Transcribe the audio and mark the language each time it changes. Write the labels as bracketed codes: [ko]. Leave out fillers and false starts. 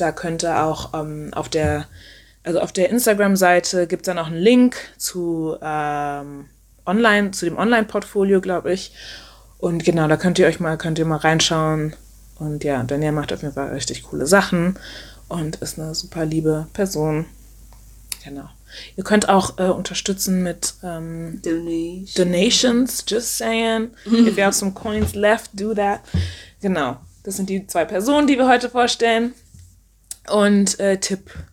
[de] Da könnt ihr auch auf der Instagram-Seite gibt es dann auch einen Link zu online, zu dem Online-Portfolio, glaube ich. Und genau, da könnt ihr mal reinschauen. Und ja, Daniela macht auf jeden Fall richtig coole Sachen und ist eine super liebe Person. Genau. Ihr könnt auch unterstützen mit [en] Donations, just saying. If you have some coins left, do that. [de] Genau. Das sind die zwei Personen, die wir heute vorstellen. Und Tipp.